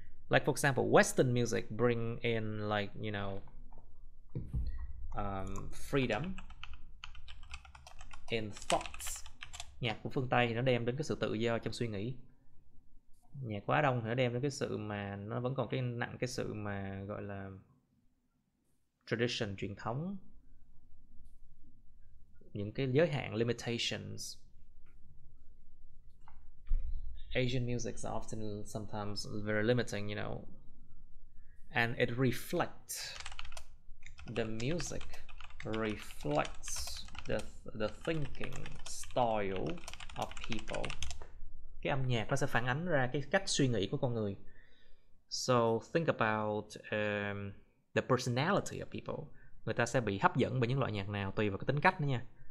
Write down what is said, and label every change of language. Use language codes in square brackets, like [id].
[en] Like for example, Western music bring in like, you know, freedom in thoughts. [vi] Nhạc của phương Tây thì nó đem đến cái sự tự do trong suy nghĩ. Nhạc quá đông thì nó đem đến cái sự mà nó vẫn còn cái nặng cái sự mà gọi là tradition, truyền thống, những cái giới hạn, limitations. [en] Asian music is often sometimes very limiting, you know, and it reflects, the music reflects the thinking style of people. [vi] Cái âm nhạc nó sẽ phản ánh ra cái cách suy nghĩ của con người. [en] So think about the personality of people. [vi] Người ta sẽ bị hấp dẫn bởi những loại nhạc nào tùy vào cái tính cách nữa nha.